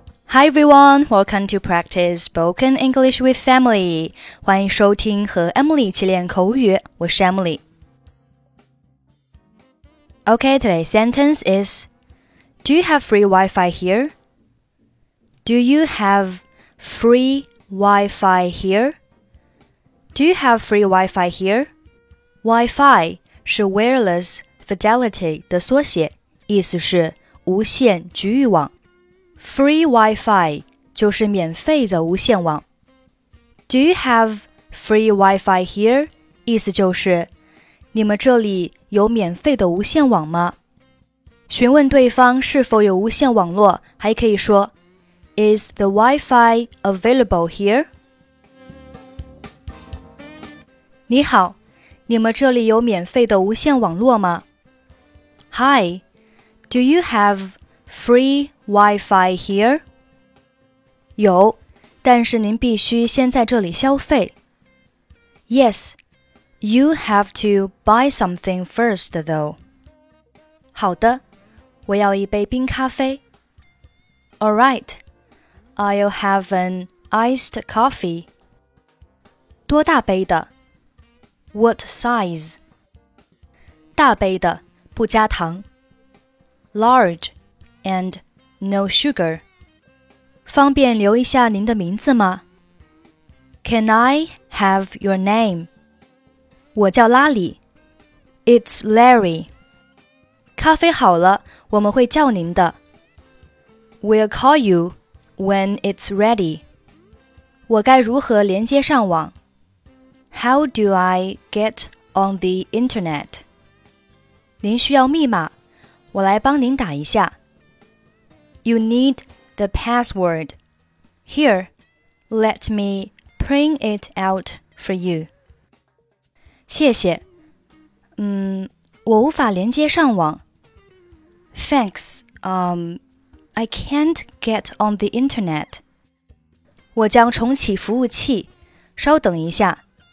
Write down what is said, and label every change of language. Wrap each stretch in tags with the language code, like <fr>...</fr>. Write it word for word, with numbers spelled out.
<en>Hi everyone, welcome to practice spoken English with Emily.</en> <zh>欢迎收听和 Emily 一起练口语，我是 Emily.</zh> <en>Okay, today's sentence is, Do you have free Wi-Fi here? Do you have free Wi-Fi here? Do you have free Wi-Fi here?</en> <zh>Wi-Fi 是 Wireless Fidelity 的缩写，意思是无线局域网。 Free Wi-Fi 就是免费的无线网。</zh> <en>Do you have free Wi-Fi here?</en> <zh>意思就是你们这里有免费的无线网吗？询问对方是否有无线网络，还可以说</zh> <en>Is the Wi-Fi available here?</en> <zh>你好，你们这里有免费的无线网络吗？</zh> <en>Hi, do you have free Wi-Fi here?</en> <zh>有，但是您必须先在这里消费。</zh> <en>Yes, you have to buy something first though.</en> <zh>好的，我要一杯冰咖啡。</zh> <en>All right, I'll have an iced coffee.</en> <zh>多大杯的？</zh> <en>What size?</en> <zh>大杯的，不加糖。</zh> <en>Large and no sugar.</en> <zh>方便留一下您的名字吗？</zh> <en>Can I have your name?</en> <zh>我叫拉里。</zh> <en>It's Larry.</en> <zh>咖啡好了，我们会叫您的。</zh> <en>We'll call you when it's ready.</en> <zh>我该如何连接上网？</zh> <en>How do I get on the internet?</en> <zh>您需要密码，我来帮您打一下。</zh> <en>You need the password. Here, let me print it out for you.</en> <zh>谢谢。嗯，我无法连接上网。</zh> <en>Thanks, um, I can't get on the internet.</en> <zh>我将重启服务器，稍等一下。</zh>